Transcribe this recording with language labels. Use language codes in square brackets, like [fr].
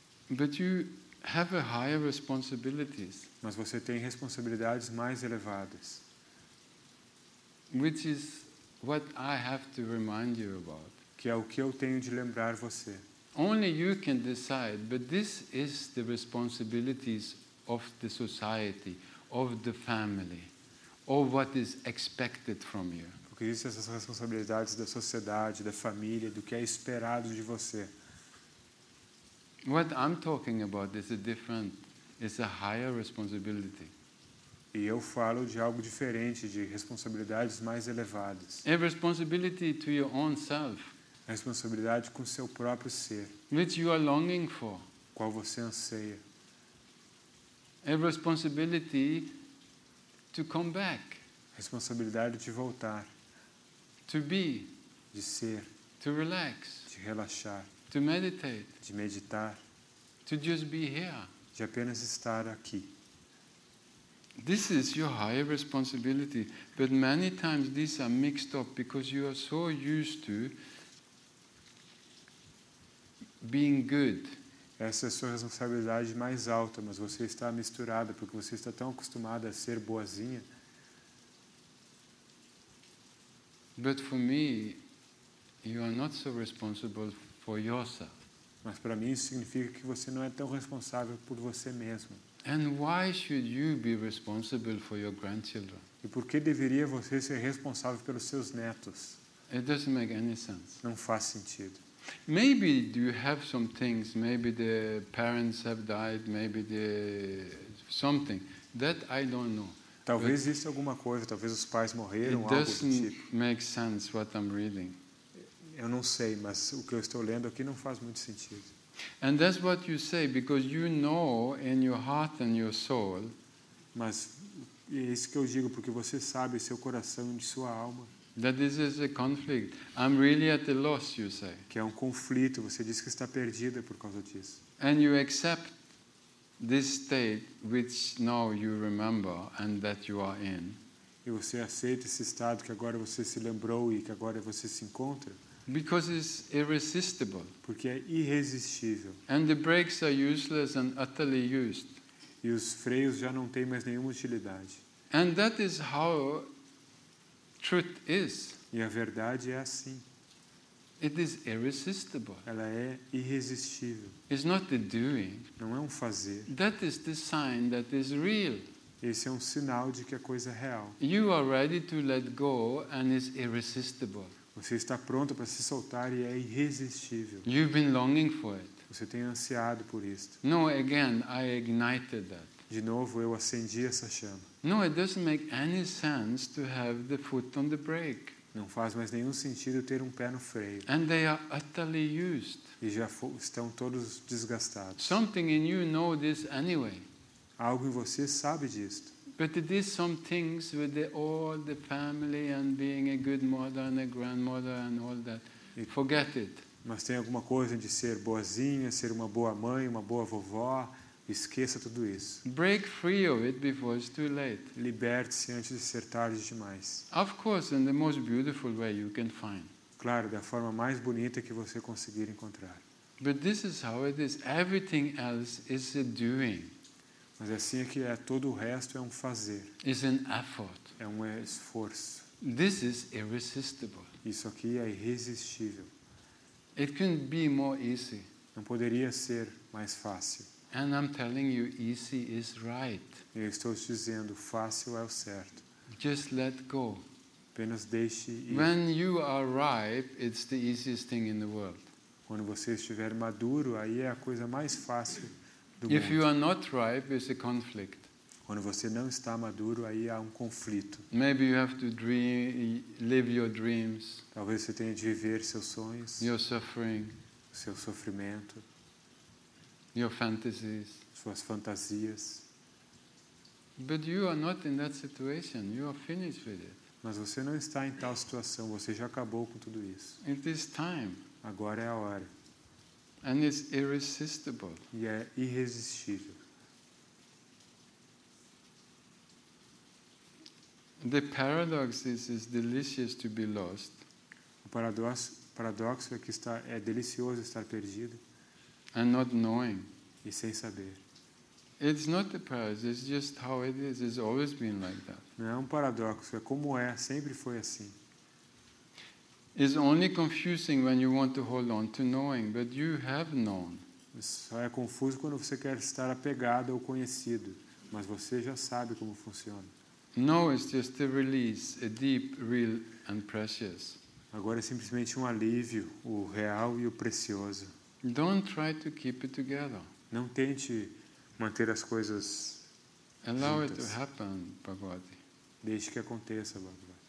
[en] But you have a higher responsibilities. [pt] Mas você tem responsabilidades mais elevadas. [en] Which is what I have to remind you about. [pt] Que é o que eu tenho de lembrar você. [en] Only you can decide, but this is the responsibilities of the society, of the family, of what is expected from you. [pt] Porque essas são responsabilidades da sociedade, da família, do que é esperado de você. [en] What I'm talking about is a different, is a higher responsibility. [pt] E eu falo de algo diferente, de responsabilidades mais elevadas. [en] A responsibility to your own self. [pt] A responsabilidade com seu próprio ser. [en] Which you are longing for. [pt] Qual você anseia. [en] A responsibility to come back. [pt] Responsabilidade de voltar. [en] To be. [pt] De ser. [en] To relax. [pt] De relaxar. [en] To meditate. [pt] De meditar. [en] To just be here. [pt] De apenas estar aqui. [en] This is your higher responsibility, but many times these are mixed up because you are so used to being good. [pt] Essa é a sua responsabilidade mais alta, mas você está misturada porque você está tão acostumada a ser boazinha. [en] But for me, you are not so responsible for yourself. [pt] Mas para mim isso significa que você não é tão responsável por você mesmo. [en] And why should you be responsible for your grandchildren? [pt] E por que deveria você ser responsável pelos seus netos? [en] It doesn't make any sense. [pt] Não faz sentido. [en] Maybe you have some things, maybe the parents have died, maybe the something that I don't know. [pt] Talvez exista alguma coisa, talvez os pais morreram, algo do tipo. [en] It doesn't make sense what I'm reading. [pt] Eu não sei, mas o que eu estou lendo aqui não faz muito sentido. [en] And that's what you say because you know in your heart and your soul. [pt] Mas é isso que eu digo porque você sabe seu coração e sua alma. [en] That this is a conflict. I'm really at a loss, you say. [pt] Que é um conflito. Você diz que está perdida por causa disso. [en] And you accept this state which now you remember and that you are in. [pt] E você aceita esse estado que agora você se lembrou e que agora você se encontra. [en] Because it's irresistible. [pt] Porque é irresistível. [en] And the brakes are useless and utterly used. [pt] E os freios já não têm mais nenhuma utilidade. [en] And that is how truth is. [pt] E a verdade é assim. [en] It is irresistible. [pt] Ela é irresistível. [en] It's not the doing. [pt] Não é um fazer. [en] That is the sign that is real. [pt] Esse é um sinal de que a coisa é real. [en] You are ready to let go and it's irresistible. [pt] Você está pronto para se soltar e é irresistível. [en] You've been longing for it. [pt] Você tem ansiado por isto. [en] No, again, I ignited that. [pt] De novo, eu acendi essa chama. [en] No, it doesn't make any sense to have the foot on the brake. [pt] Não faz mais nenhum sentido ter um pé no freio. [en] And they are utterly used. [pt] E já estão todos desgastados. [en] Something in you know this anyway. [pt] Algo em você sabe disto. [en] But it is some things with the, all the family and being a good mother and a grandmother and all that. Forget it. [pt] Mas tem alguma coisa de ser boazinha, ser uma boa mãe, uma boa vovó. Esqueça tudo isso. [en] Break free of it before it's too late. [pt] Liberte-se antes de ser tarde demais. [en] Of course, in the most beautiful way you can find. [pt] Claro, da forma mais bonita que você conseguir encontrar. [en] But this is how it is. Everything else is a doing. [pt] Mas assim é que é, todo o resto é um fazer. [en] It's an effort. [pt] É um esforço. [en] This is irresistible. [pt] Isso aqui é irresistível. [en] It couldn't be more easy. [pt] Não poderia ser mais fácil. [en] And I'm telling you, easy is right. [pt] Eu estou te dizendo, fácil é o certo. [en] Just let go. [pt] Apenas deixe ir. [en] When you are ripe, it's the easiest thing in the world. [pt] Quando você estiver maduro, aí é a coisa mais fácil. [en] If you are not ripe, it's a conflict. [pt] Quando você não está maduro, aí há um conflito. [en] Maybe you have to dream, live your dreams. [pt] Talvez você tenha de viver seus sonhos. [en] Your suffering. [pt] Seu sofrimento. [en] Your fantasies. [pt] Suas fantasias. [en] But you are not in that situation. You are finished with it. [pt] Mas você não está em tal situação. Você já acabou com tudo isso. [en] It is time. [pt] Agora é a hora. [en] And it's irresistible. [pt] E é irresistível. [en] The paradox is delicious to be lost. [pt] O paradoxo paradoxo é que está, é delicioso estar perdido. [en] And not knowing. [pt] E sem saber. [en] It's not the paradox. It's just how it is. It's always been like that. [pt] Não é um paradoxo. É como é. Sempre foi assim. [en] It's only confusing when you want to hold on to knowing, but you have known. [pt] Só é confuso quando você quer estar apegado ao conhecido, mas você já sabe como funciona. [en] Know is just a release, a deep, real and precious. [pt] Agora é simplesmente um alívio, o real e o precioso. [en] Don't try to keep it together. [pt] Não tente manter as coisas juntas. [en] Allow it to happen, Bhagavati. [pt] Deixe que aconteça, Bhagavati.